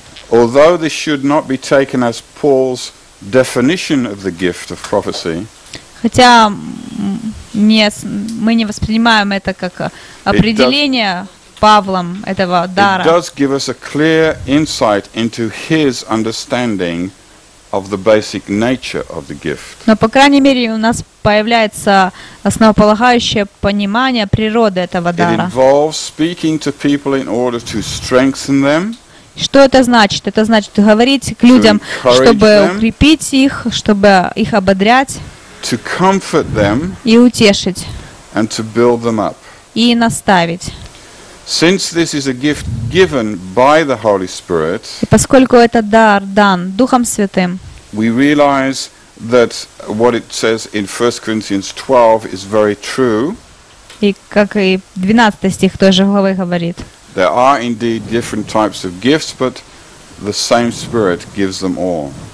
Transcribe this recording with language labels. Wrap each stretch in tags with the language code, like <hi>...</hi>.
<en>Although this should not be taken as Paul's definition of the gift of prophecy.</en> <ru>Хотя мы не воспринимаем это как определение Павлом этого дара.</ru> <en>It does give us a clear insight into his understanding of the basic nature of the gift.</en> <ru>Но по крайней мере у нас появляется основополагающее понимание природы этого дара.</ru> <en>It involves speaking to people in order to strengthen them.</en> <ru>Что это значит? Это значит говорить к людям, чтобы укрепить их, чтобы их ободрять.</ru> <en>To comfort them.</en> <ru>И утешить.</ru> <en>And to build them up.</en> <ru>И наставить.</ru> <en>Since this is a gift given by the Holy Spirit,</en> <ru>и поскольку это дар дан Духом Святым,</ru> <en>we realize that what it says in 1 Corinthians 12 is very true.</en> <ru>И как и 12 стих той же главы говорит.</ru> <en>There are indeed different types of gifts, but the same Spirit gives them all.</en>